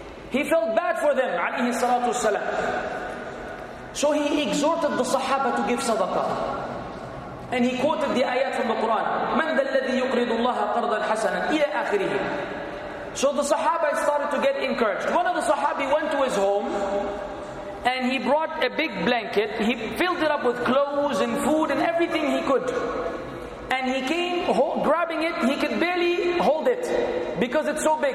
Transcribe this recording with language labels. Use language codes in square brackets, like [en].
[en] He felt bad for them, alayhi salatu wasalam. So he exhorted the Sahaba to give sadaqah. And he quoted the ayat from the Quran, [ar] مَنْ ذَا الَّذِي يُقْرِضُ اللَّهَ قَرْضًا حَسَنًا إِلَىٰ آخِرِهِ. [en] So the Sahaba started to get encouraged. One of the Sahabi went to his home and he brought a big blanket. He filled it up with clothes and food and everything he could. And he came grabbing it. He could barely hold it because it's so big.